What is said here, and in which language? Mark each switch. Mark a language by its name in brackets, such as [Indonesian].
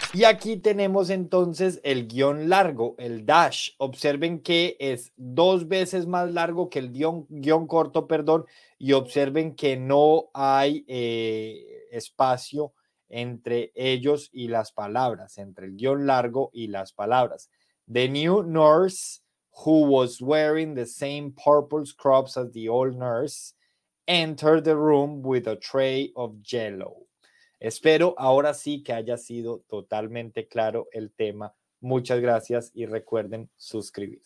[Spanish] Y aquí tenemos entonces el guión largo, el dash. Observen que es dos veces más largo que el guión corto, perdón, y observen que no hay espacio entre ellos y las palabras, entre el guión largo y las palabras. [English] The new nurse who was wearing the same purple scrubs as the old nurse entered the room with a tray of jello. [Spanish] Espero ahora sí que haya sido totalmente claro el tema. Muchas gracias y recuerden suscribirse.